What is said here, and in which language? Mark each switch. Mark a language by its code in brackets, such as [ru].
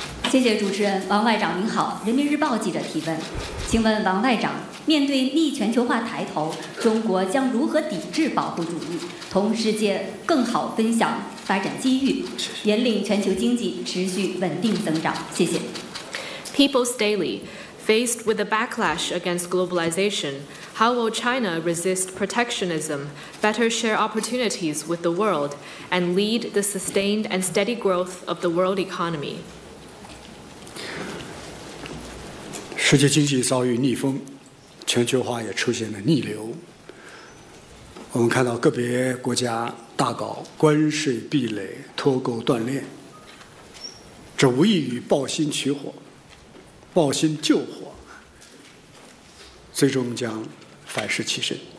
[zh] 谢谢主持人。王外长您好，人民日报记者提问，请问王外长，面对逆全球化抬头，中国将如何抵制保护主义，同世界更好分享发展机遇，引领全球经济持续稳定增长？谢谢。 [en] People's Daily. Faced with a backlash against globalization, how will China resist protectionism, better share opportunities with the world, and lead the sustained and steady growth of the world economy? [zh] 世界经济遭遇逆风，全球化也出现了逆流。我们看到个别国家大搞关税壁垒、脱钩断链，这无异于抱薪取火、抱薪救火，最终将反噬其身。